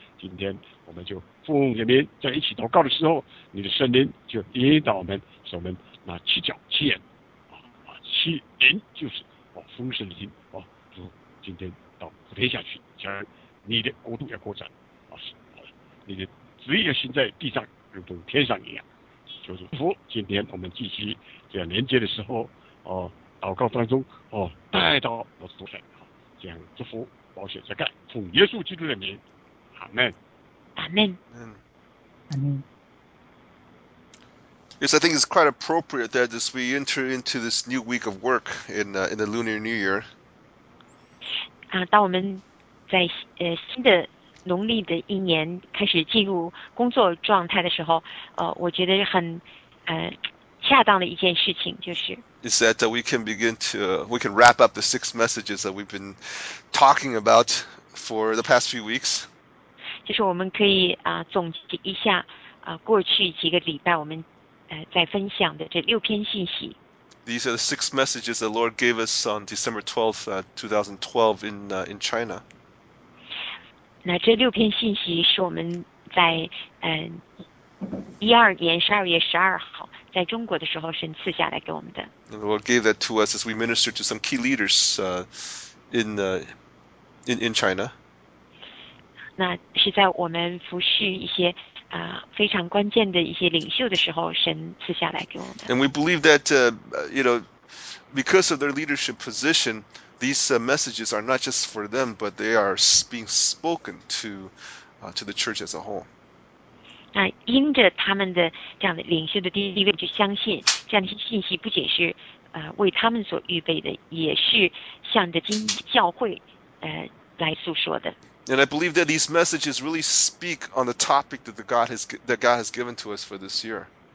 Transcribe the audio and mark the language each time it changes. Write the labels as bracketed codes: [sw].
[zh] 今天我们就奉人民在一起祷告的时候，你的圣灵就引导我们，使我们那七角七眼七灵就是丰盛的灵主，今天到普天下去，将你的国度要扩展你的旨意要行在地上，如同天上一样。求主福，今天我们继续这样连接的时候，祷告当中带到我手上，这样祝福保险遮盖，奉耶稣基督的名，阿门。阿门。 [en] Yes, I think it's quite appropriate that as we enter into this new week of work in the Lunar New Year. [zh] 当我们在新的农历的一年开始进入工作状态的时候，我觉得很恰当的一件事情就是。 [en] Is that we can begin to we can wrap up the six messages that we've been talking about for the past few weeks. [zh] 就是我们可以总结一下过去几个礼拜我们在分享的这六篇信息。 [en] These are the six messages the Lord gave us on December 12th, 2012 in China. [zh] 那这六篇信息是我们在12年12月12号在中国的时候神赐下来给我们的。 [en] The Lord gave that to us as we ministered to some key leaders in China. [zh] 那是在我们服侍一些非常关键的一些领袖的时候神赐下来给我们的。 [en] And we believe that because of their leadership position, these messages are not just for them, but they are being spoken to the church as a whole. [zh] 那因着他们的这样的领袖的地位，就相信这样的信息不仅是为他们所预备的，也是向着今教会来诉说的。 [en] And I believe that these messages really speak on the topic that God has given to us for this year.